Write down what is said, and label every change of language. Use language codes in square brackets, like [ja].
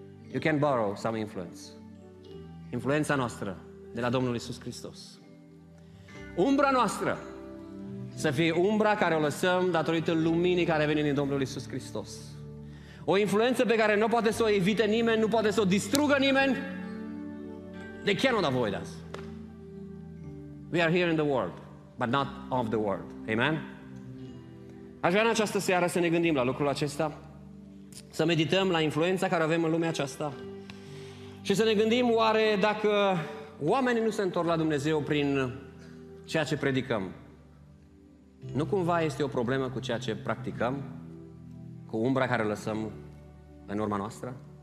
[en] You can borrow some influence. [ro] Influența noastră de la Domnul Iisus Hristos. Umbra noastră să fie umbra care o lăsăm datorită luminii care vine din Domnul Iisus Hristos. O influență pe care nu poate să o evite nimeni, nu poate să o distrugă nimeni. [en] They cannot avoid us. We are here in the world, but not of the world. Amen? [ro] Aș vrea în această seară să ne gândim la lucrul acesta, să medităm la influența care avem în lumea aceasta și să ne gândim oare dacă oamenii nu se întorc la Dumnezeu prin ceea ce predicăm. Nu cumva este o problemă cu ceea ce practicăm? Cu umbra care lăsăm în urma noastră?